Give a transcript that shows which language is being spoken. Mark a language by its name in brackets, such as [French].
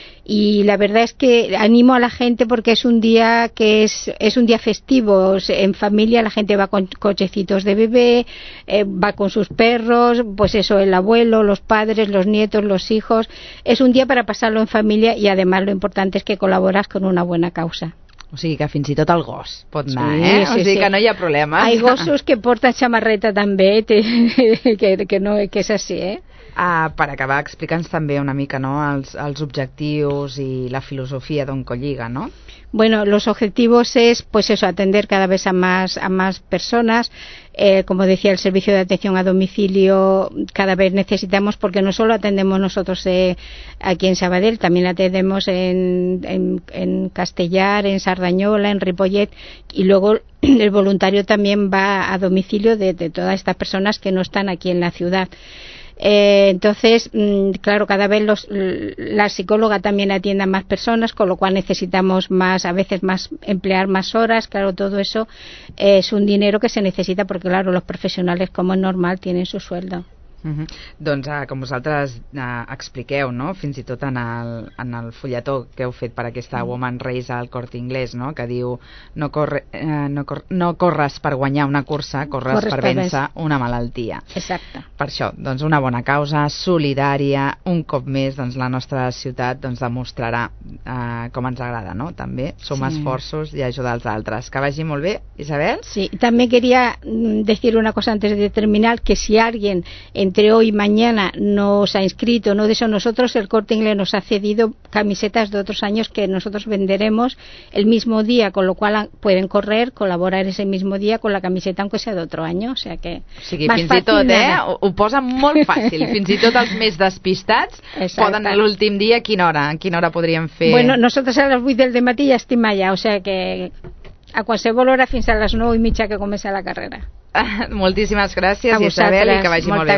[Spanish] Y la verdad es que animo a la gente porque es un día que es un día festivo. En familia la gente va con cochecitos de bebé, va con sus perros, pues eso, el abuelo, los padres, los nietos, los hijos. Es un día para pasarlo en familia y además lo importante es que colaboras con una buena causa. [Catalan] O sigui que fins i tot el gos pot anar, sí, eh? Sí, o sigui sí. que no hi ha problemes. Hay gossos que porten chamarreta també, que és així, eh? Per acabar, explica'ns també una mica, no?, els objectius i la filosofia d'Oncolliga, no? [Spanish] Bueno, los objetivos es, pues eso, atender cada vez a más personas. Como decía, el servicio de atención a domicilio cada vez necesitamos, porque no solo atendemos nosotros aquí en Sabadell, también atendemos en Castellar, en Sardañola, en Ripollet, y luego el voluntario también va a domicilio de todas estas personas que no están aquí en la ciudad. Entonces, claro, cada vez la psicóloga también atiende a más personas, con lo cual necesitamos más, a veces más, emplear más horas. Claro, todo eso es un dinero que se necesita porque, claro, los profesionales, como es normal, tienen su sueldo. [Catalan] Doncs, com vosaltres expliqueu, no?, fins i tot en el fulletó que heu fet per aquesta Woman Race al Corte Inglés, no?, que diu no corres per guanyar una cursa, corres per vèncer una malaltia. Exacte. Per això, doncs, una bona causa, solidària, un cop més doncs, la nostra ciutat doncs, demostrarà com ens agrada, no?, també sumar esforços i ajudar els altres. Que vagi molt bé, Isabel. [Spanish] Sí, també quería decir una cosa antes de terminar, que si alguien entre hoy y mañana nos ha inscrito, ¿no?, de eso, nosotros, el Corte Inglés nos ha cedido camisetas de otros años que nosotros venderemos el mismo día, con lo cual pueden correr, colaborar ese mismo día con la camiseta, aunque sea de otro año, o sea que... [Catalan] O sigui, fins i tot, ho posa molt fàcil, fins i tot els més despistats. Exacte. Poden anar l'últim dia, a quina hora podríem fer... [Spanish] Bueno, nosotros a las 8 del dematí ya estem allá, o sea que [Catalan] a qualsevol hora fins a les 9:30 que comença la carrera. Moltíssimes gràcies, Isabel, i que vagi molt bé.